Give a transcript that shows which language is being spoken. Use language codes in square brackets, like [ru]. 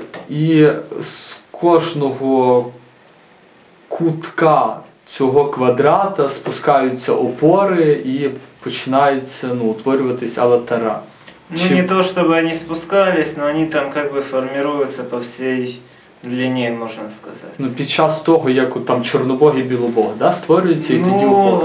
[uk] І з кожного кутка цього квадрата спускаються опори і починається утворюватись аватара. [ru] Ну, не то, чтобы они спускались, но они там как бы формируются по всей длине, можно сказать. [uk] Ну, під час того, як там Чорнобог і Білобог, да, створюються, і тоді опори.